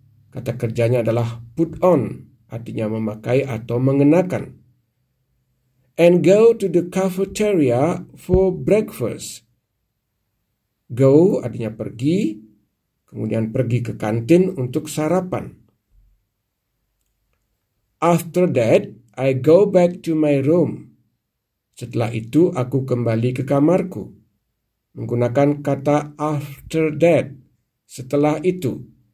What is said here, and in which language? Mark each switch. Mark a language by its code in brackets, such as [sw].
[id] Kata kerjanya adalah put on, artinya memakai atau mengenakan. [en] And go to the cafeteria for breakfast. [id] Go artinya pergi, kemudian pergi ke kantin untuk sarapan. [en] After that, I go back to my room. [id] Setelah itu, aku kembali ke kamarku. Menggunakan kata [en] after that, [id] setelah itu.